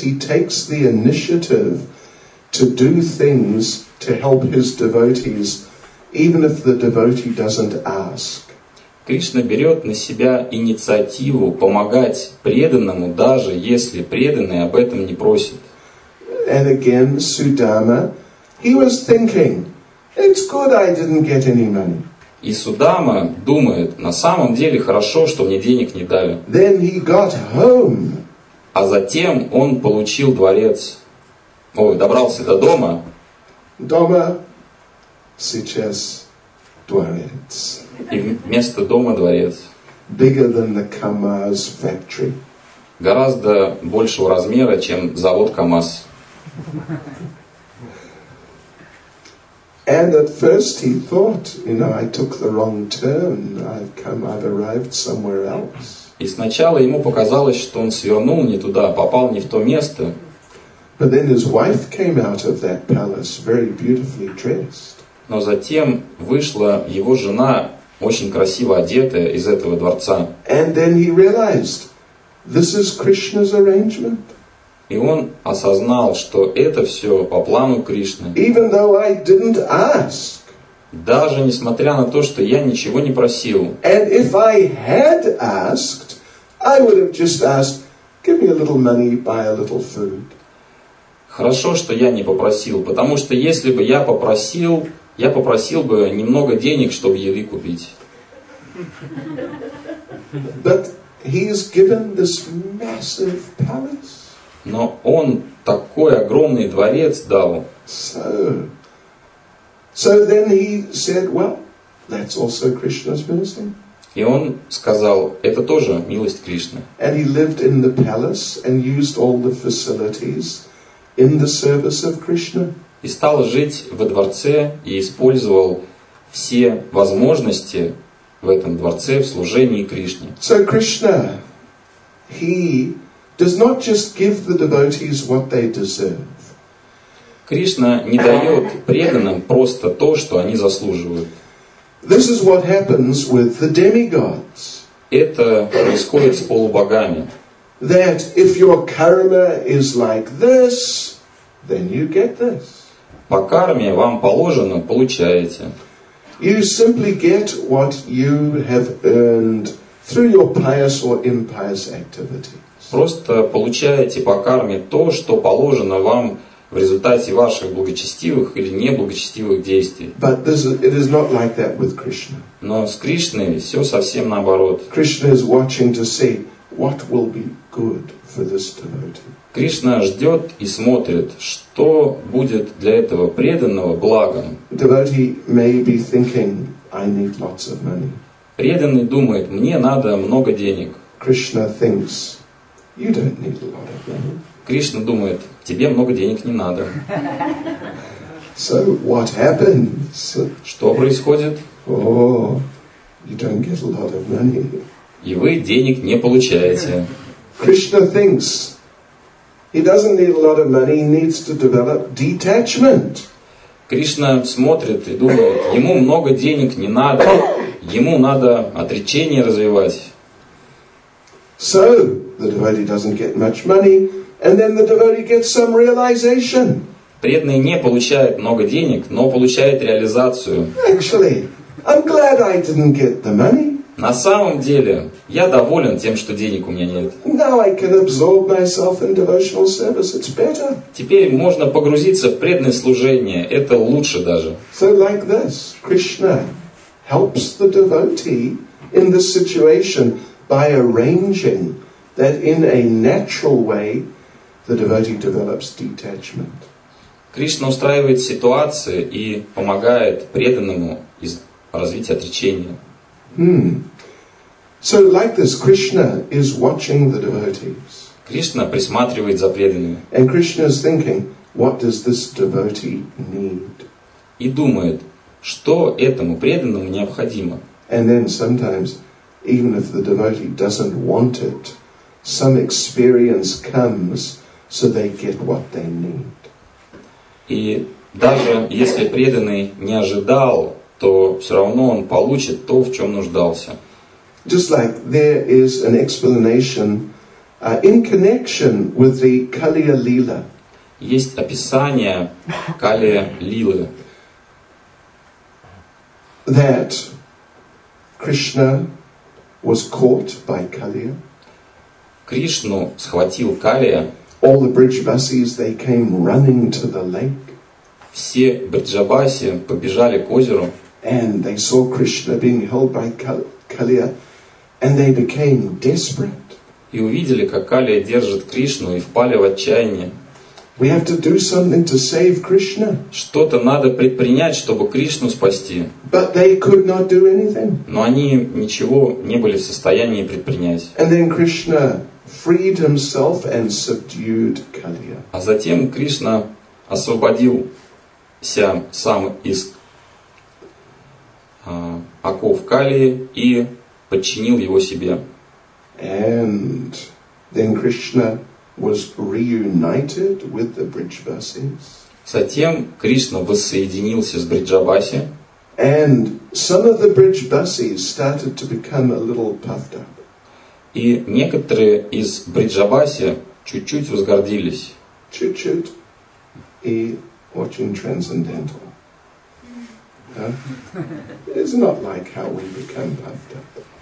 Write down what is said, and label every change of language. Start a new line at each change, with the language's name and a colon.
English: He takes the initiative to do things to help his devotees, even if the devotee doesn't ask.
Russian: Кришна берет на себя инициативу помогать преданному, даже если преданный об этом не просит.
English: And again, Sudama, he was thinking, it's good I didn't get any money.
Russian: И Судама думает, на самом деле хорошо, что мне денег не дали.
English: Then he got home.
Russian: А затем он получил дворец. Ой, добрался до дома. Дома сейчас дворец. И вместо дома дворец.
English: Bigger than the Kamaz factory.
Russian: Гораздо большего размера, чем завод Камаз.
English: And at first he thought, you know, I took the wrong turn. I've arrived somewhere else.
Russian: И сначала ему показалось, что он свернул не туда, попал не в то место.
English: But then his wife came out of that palace very beautifully dressed.
Russian: Но затем вышла его жена, очень красиво одетая, из этого дворца.
English: And then he realized, this is Krishna's arrangement.
Russian: И он осознал, что это все по плану Кришны.
English: Even though I didn't ask.
Russian: Даже несмотря на то, что я ничего не просил.
English: And if I had asked, I would have just asked, Give me a little money, buy a little food.
Russian: Хорошо, что я не попросил, потому что если бы я попросил, я попросил бы немного денег, чтобы еды купить.
English: But he is given this massive palace.
Russian: Но он такой огромный дворец дал.
English: So then he said, well, that's also Krishna's mercy.
Russian: И он сказал, это тоже милость Кришны.
English: And he lived in the palace and used all the facilities in the service of Krishna.
Russian: И стал жить во дворце и использовал все возможности в этом дворце в служении Кришне.
English: So Krishna, he does not just give the devotees what they deserve.
Russian: Кришна не дает преданным просто то, что они заслуживают.
English: This is what happens with the demigods.
Russian: Это происходит с полубогами.
English: That if your karma is like this, then you get this.
Russian: По карме вам положено, получаете.
English: You simply get what you have earned through your pious or impious activities.
Russian: Просто получаете по карме то, что положено вам в результате ваших благочестивых или неблагочестивых действий.
English: But this is, it is not like that with Krishna.
Russian: Но с Кришной все совсем наоборот.
English: Krishna is watching to see what will be good for this devotee.
Russian: Кришна ждет и смотрит, что будет для этого преданного благом.
English: Devotee may be thinking, I need lots of money.
Russian: Преданный думает, мне надо много денег.
English: Krishna thinks, you don't need a lot of money.
Russian: Кришна думает, тебе много денег не надо.
English: So what happens?
Russian: Что происходит?
English: Oh, you don't get a lot of money.
Russian: И вы денег не получаете.
English: Krishna thinks he doesn't need a lot of money, he needs to develop detachment.
Russian: Кришна смотрит и думает, ему много денег не надо, ему надо отречение развивать.
English: So the devotee doesn't get much money. And then the devotee gets some realization.
Russian: Преданный не получает много денег, но получает реализацию.
English: Actually, I'm glad I didn't get the money.
Russian: На самом деле, я доволен тем, что денег у меня нет.
English: Now I can absorb myself in devotional service. It's better.
Russian: Теперь можно погрузиться в преданное служение. Это лучше даже.
English: So like this, Krishna helps the devotee in this situation by arranging that in a natural way the devotee develops detachment.
Russian: Кришна устраивает ситуацию и помогает преданному развить отречение.
English: So like this, Krishna is watching the devotees.
Russian: Кришна присматривает за преданными.
English: And Krishna is thinking, what does this devotee need?
Russian: И думает, что этому преданному необходимо.
English: And then sometimes, even if the devotee doesn't want it, some experience comes. So they get what they need.
Russian: И даже если преданный не ожидал, то все равно он получит то, в чем нуждался.
English: Just like there is an explanation in connection with the Kaliya Lila.
Russian: Есть описание Калия Лилы.
English: That Krishna was caught by Kaliya.
Russian: Кришну схватил Калия.
English: All the Brijabasis, they came running to the lake.
Russian: Все Бриджабаси побежали к озеру.
English: And they saw Krishna being held by Kaliya, and they became desperate.
Russian: И увидели, как Калия держит Кришну, и впали в отчаяние.
English: We have to do something to save Krishna.
Russian: Что-то надо предпринять, чтобы Кришну спасти.
English: But they could not do anything.
Russian: Но они ничего не были в состоянии предпринять.
English: And then Krishna freed himself and subdued Kaliya.
Russian: А затем Кришна освободился сам из оков Калии и подчинил его себе.
English: And then Krishna was reunited with the Brijabasis.
Russian: Затем Кришна воссоединился с Бриджабаси.
English: And some of the Brijabasis started to become a little puffed up.
Russian: И некоторые из Бриджабаси чуть-чуть возгордились. Чуть-чуть. И очень трансцендентал.
English: It's not like how we become puffed up.